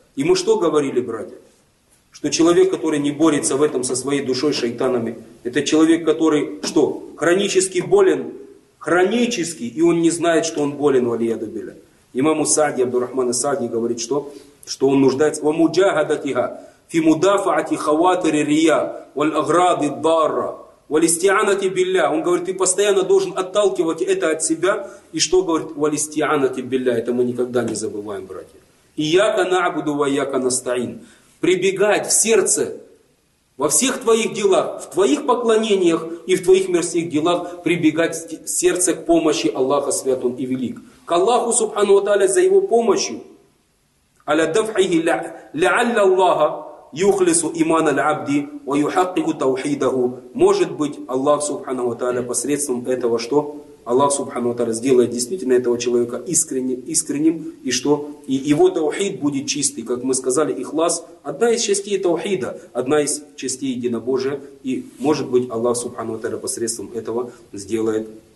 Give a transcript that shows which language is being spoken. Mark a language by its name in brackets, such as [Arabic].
[Russian] И мы что говорили, братья? Что человек, который не борется в этом со своей душой, шайтанами, это человек, который что? Хронически болен, хронически, и он не знает, что он болен, [Arabic] валияду биля. [Russian] Имаму Саади, Абдурахман Саади говорит, что? Что он нуждается. [Arabic] Ва муджахадатиха. في مدافعة خواطر الرياء والأغراض الضارة والاستعانة بالله. [Russian] Он говорит, ты постоянно должен отталкивать это от себя. И что говорит? [Arabic] والاستعانة بالله. [Russian] Это мы никогда не забываем, братья. [Arabic] Ияка наъбуду ва ияка настаин. [Russian] Прибегать в сердце во всех твоих делах, в твоих поклонениях и в твоих мирских делах, прибегать в сердце к помощи Аллаха Свят Он и Велик. К Аллаху Субхану ва тааля за его помощью. [Arabic] Аля дафхи ля'алля Аллаха يخلص إيمان العبد ويحقق توحيده. [Russian] Может быть, Аллах Субхана ва тааля посредством этого что? Аллах Субхана ва тааля сделает действительно этого человека искренним, и что? И его таухид будет чистый. Как мы сказали, ихлас – одна из частей таухида, одна из частей единобожия. И может быть, Аллах Субхана ва тааля посредством этого сделает